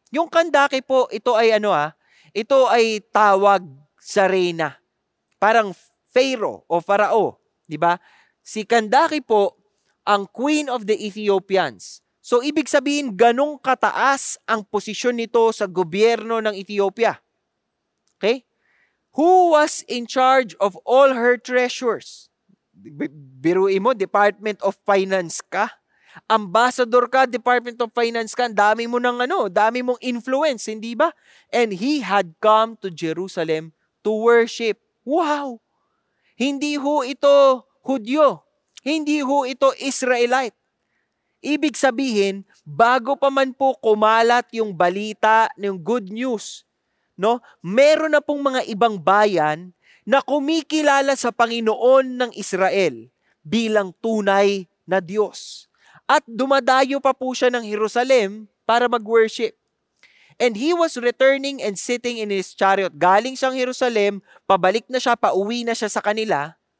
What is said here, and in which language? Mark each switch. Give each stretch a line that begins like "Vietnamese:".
Filipino: Yung Kandake po, ito ay ano ah, ito ay tawag sa reyna. Parang Pharaoh o Farao, di ba? Si Kandake po ang
English: queen of the Ethiopians.
Filipino: So ibig sabihin, ganong kataas ang posisyon nito sa gobyerno ng Ethiopia. Okay?
English: "Who was in charge of all her treasures?"
Filipino: Biruin mo, Department of Finance ka. Ambassador ka, Department of Finance ka. Dami mo ng ano, dami mong influence, hindi ba?
English: "And he had come to Jerusalem to worship."
Filipino: Wow! Hindi ho ito Hudyo. Hindi ho ito Israelite. Ibig sabihin, bago pa man po kumalat yung balita, yung good news, no? Meron na pong mga ibang bayan na kumikilala sa Panginoon ng Israel bilang tunay na Diyos. At dumadayo pa po siya ng Jerusalem para mag-worship.
English: "And he was returning and sitting in his chariot."
Filipino: Galing siyang Jerusalem, pabalik na siya, pauwi na siya sa kanila.